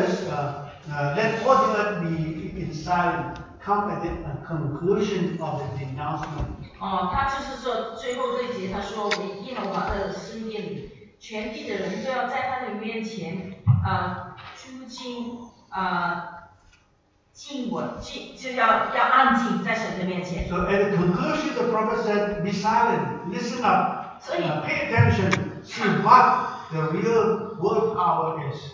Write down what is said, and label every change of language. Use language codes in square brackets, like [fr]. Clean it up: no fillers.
[en] Let all the earth be in silence. Come at the conclusion of the denouncement. [zh] 他就是说最后这一节，他说我耶和华的圣殿里，全地的人都要在他的面前聚精静稳，就要安静在神的面前。 [en] So at the conclusion, the prophet said, "Be silent, listen up, pay attention, see what the real word power is."